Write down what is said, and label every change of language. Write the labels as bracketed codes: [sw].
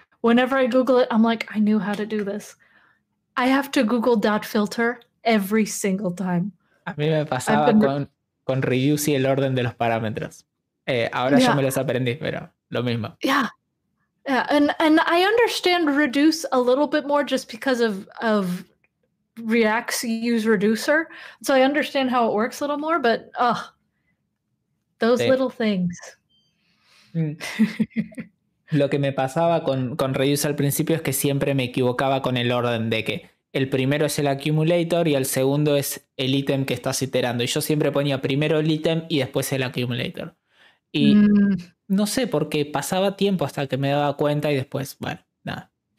[en] Whenever I Google it, I'm like, I knew how to do this. I have to Google .filter every single time. [es] A mí me pasaba con reuse y el orden de los parámetros. Ahora yo me los aprendí, pero lo mismo. [en] Yeah. Yeah. And I understand reduce a little bit more just because of React's use reducer. So I understand how it works a little more, but those little things. Mm. [es] Lo que me pasaba con Reduce al principio es que siempre me equivocaba con el orden de que el primero es el accumulator y el segundo es el ítem que estás iterando. Y yo siempre ponía primero el ítem y después el accumulator. Y no sé por qué pasaba tiempo hasta que me daba cuenta y después, bueno, nada.